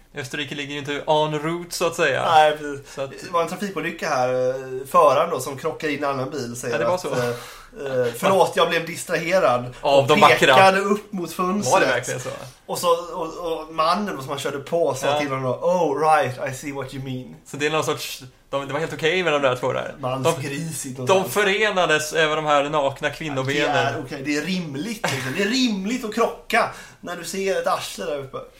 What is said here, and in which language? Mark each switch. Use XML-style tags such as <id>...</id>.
<sv>Österrike ligger ju inte en route så att säga. Nej, precis. Så att... Det var en trafikolycka här. Föraren då som krockade in en annan bil säger ja, det var så. Att... Förlåt, jag blev distraherad av och pekade vackra. Upp mot fönstret. Var det verkligen så? Och mannen som han körde på sa ja. Till honom:</sv> <en>oh right, I see what you mean.</en> <sv>Så det är någon sorts, det var helt okej okay med de där två där. De förenades över de här nakna kvinnobenen. Det är okay. Det är rimligt liksom. Det är rimligt att krocka när du ser ett arsle där uppe.</sv>